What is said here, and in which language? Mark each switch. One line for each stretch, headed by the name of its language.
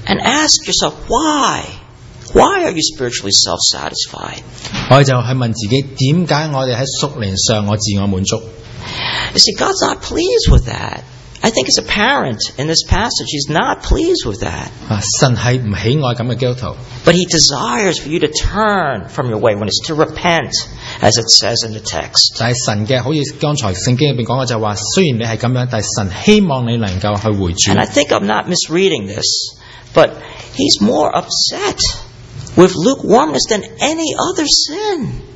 English: And ask yourself why. Why are you spiritually self-satisfied?
Chinese: 我们就去问自己，点解我哋喺属灵上我自我满足？
English: You see, God's not pleased with that. I think it's apparent in this passage. He's not pleased with that.
Chinese: 神是不喜爱这样的基督徒。
English: But he desires for you to turn from your way when it's to repent, as it says in the text.
Chinese: 但是神的，好像刚才圣经里面讲的，就是说虽然你是这样，但是神希望你能够去回转。
English: And I think I'm not misreading this, but he's more upset with lukewarmness than any other sin.